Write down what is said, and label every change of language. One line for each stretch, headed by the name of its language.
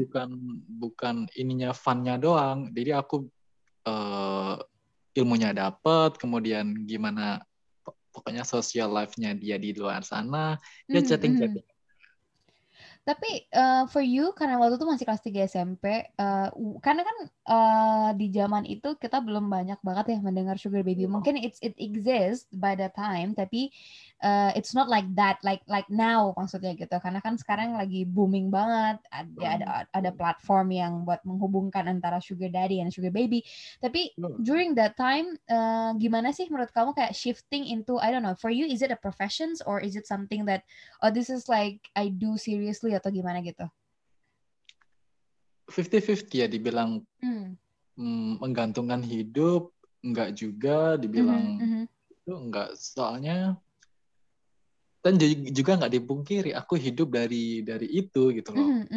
Indonesian: bukan bukan ininya fun-nya doang, jadi aku ilmunya dapet, kemudian gimana pokoknya social life-nya dia di luar sana, dia chatting-chatting. Tapi
English: for you
Indonesian: karena waktu itu masih kelas 3 SMP, karena kan di zaman itu kita belum banyak banget ya mendengar sugar baby. Mungkin
English: it exist by the time
Indonesian: tapi
English: it's not like that like now
Indonesian: maksudnya gitu. Karena kan sekarang lagi booming banget, ada platform yang buat menghubungkan antara sugar daddy dan sugar baby. Tapi
English: during that time
Indonesian: gimana sih menurut kamu kayak
English: shifting into I don't know, for you is it a professions or is it something that oh this is like I do seriously
Indonesian: atau gimana gitu? 50-50 ya, dibilang menggantungkan hidup, enggak juga, dibilang itu enggak, soalnya dan juga enggak dipungkiri, aku hidup dari itu gitu loh.